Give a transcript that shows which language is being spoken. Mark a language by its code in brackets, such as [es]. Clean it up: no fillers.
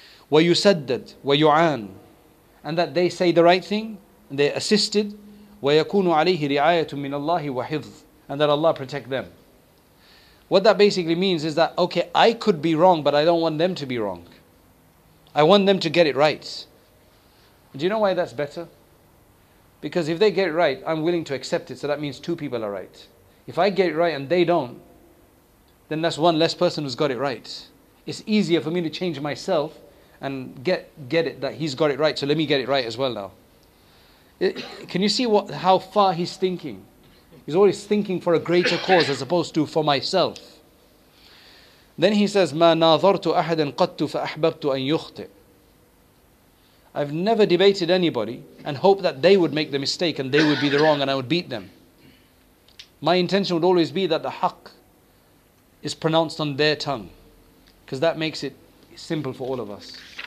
[ar] وَيُسَدَّدْ وَيُعَانْ, [en] and that they say the right thing, and they're assisted. [ar] وَيَكُونُ عَلَيْهِ رِعَايَةٌ مِّنَ اللَّهِ وَحِفْظٌ, [en] and that Allah protect them. What that basically means is that, okay, I could be wrong, but I don't want them to be wrong. I want them to get it right. Do you know why that's better? Because if they get it right, I'm willing to accept it, so that means two people are right. If I get it right and they don't, then that's one less person who's got it right. It's easier for me to change myself and get it that he's got it right, so let me get it right as well now. Can you see how far he's thinking? He's always thinking for a greater cause as opposed to for myself. Then he says, [ar] مَا نَاظَرْتُ أَحَدًا قَدْتُ فَأَحْبَبْتُ أَنْ يُخْطِئُ. [en] I've never debated anybody and hope that they would make the mistake and they would be the wrong and I would beat them. My intention would always be that the haqq is pronounced on their tongue, because that makes it simple for all of us.